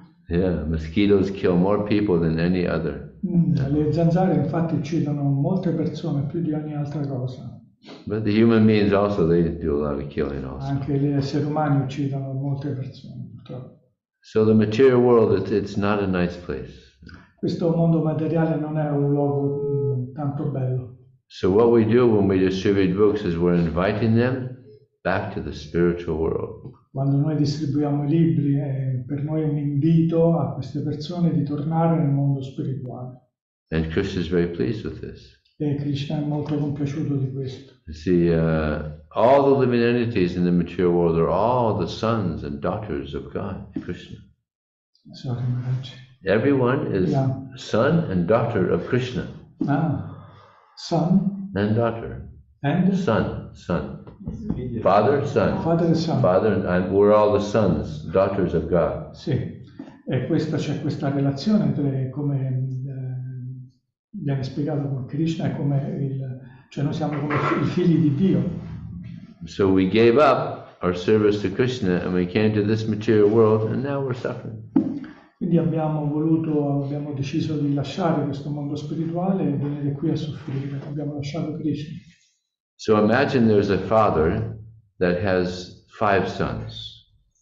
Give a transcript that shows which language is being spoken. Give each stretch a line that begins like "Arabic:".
English: Yeah, mosquitoes kill more people than any other.
Italian: Le zanzare infatti uccidono molte persone più di ogni altra cosa.
English: But the human beings also, they do a lot of killing also.
Italian: Anche gli esseri umani uccidono molte persone, purtroppo.
English: So the material world, it's not a nice place.
Italian: Questo mondo materiale non è un luogo tanto bello.
English: So what we do when we distribute books is we're inviting them back to the spiritual world.
Italian: Quando noi distribuiamo i libri è per noi un invito a queste persone di tornare nel mondo spirituale.
English: And Krishna is very pleased with this.
Italian: E Krishna è molto compiaciuto di questo.
English: See, all the living entities in the material world are all the sons and daughters of God, Krishna. Sorry, Maharaj. Everyone is son and daughter of Krishna. Ah, son. And daughter. And? Son. Father, son. Father and son. Father and I, we're all the sons, daughters of God.
Italian: Sì, e questa c'è questa relazione tra come viene spiegato con Krishna, come cioè noi siamo come i figli di Dio.
English: So we gave up our service to Krishna and we came to this material world and now we're suffering.
Italian: quindi abbiamo deciso di lasciare questo mondo spirituale e venire qui a soffrire. Abbiamo lasciato Krishna.
English: So imagine there's a father that has five sons.